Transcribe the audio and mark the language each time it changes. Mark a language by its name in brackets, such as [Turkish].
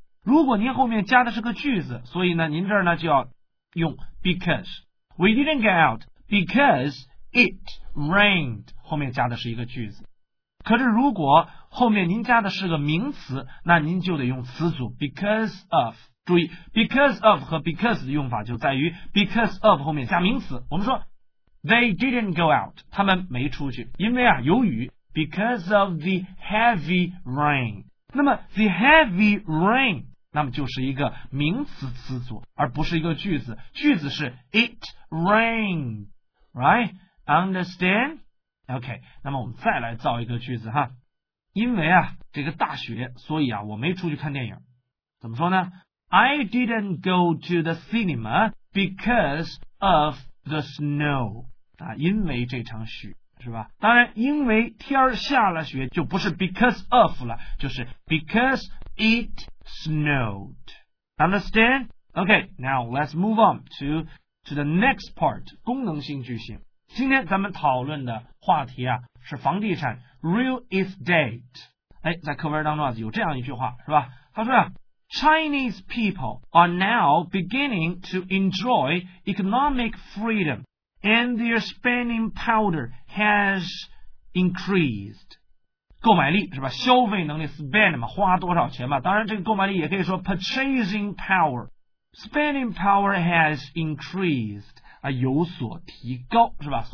[Chinese] 如果您后面加的是个句子，所以呢您这儿呢就要用 because， [English] We didn't get out becauseIt rained [Chinese] 后面加的是一个句子，可是如果后面您加的是个名词，那您就得用词组 because of。注意 because of 和 because 的用法就在于 because of 后面加名词。我们说 [English] they didn't go out， [Chinese] 他们没出去，因为啊由于 [English] because of the heavy rain。 [Chinese] 那么 the heavy rain 那么就是一个名词词组，而不是一个句子，句子是 [English] it rained， [Chinese] right？ [English] Understand? [Chinese] OK， 那么我们再来造一个句子哈。因为啊这个大雪，所以啊我没出去看电影。怎么说呢？ [English] I didn't go to the cinema because of the snow 啊， [Chinese] 因为这场雪是吧？当然，因为天下了雪，就不是 because of 了，就是 [English] because it snowed. Understand? OK， now let's move on to the next part， [Chinese] 功能性句型。今天咱们讨论的话题啊是房地产 real estate。哎，在课文当中啊有这样一句话是吧，他说啊 [English] Chinese people are now beginning to enjoy economic freedom and their spending power has increased， [Chinese] 购买力是吧，消费能力 spend 嘛，花多少钱嘛，当然这个购买力也可以说 purchasing power， [English] spending power has increased [Chinese] 啊，有所提高是吧？